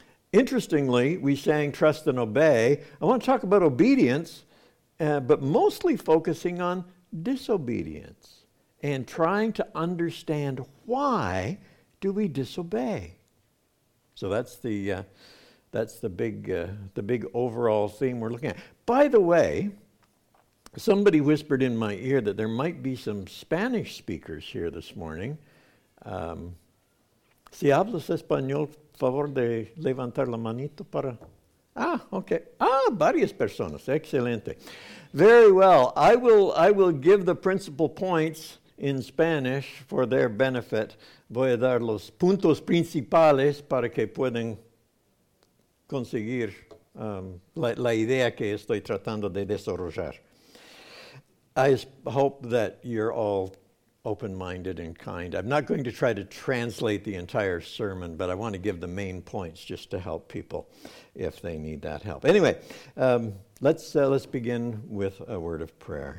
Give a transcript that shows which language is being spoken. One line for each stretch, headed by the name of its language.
English: Interestingly, we sang "Trust and Obey." I want to talk about obedience, but mostly focusing on disobedience and trying to understand why do we disobey. So that's the big overall theme we're looking at. By the way, Somebody whispered in my ear that there might be some Spanish speakers here this morning.
Spanish: Si hablas español, favor de levantar la manito para... Ah, okay. Ah, varias personas. Excelente.
English: Very well. I will give the principal points in Spanish for their benefit.
Spanish: Voy a dar los puntos principales para que puedan conseguir la idea que estoy tratando de desarrollar.
English: I hope that you're all open-minded and kind. I'm not going to try to translate the entire sermon, but I want to give the main points just to help people if they need that help. Anyway, let's begin with a word of prayer.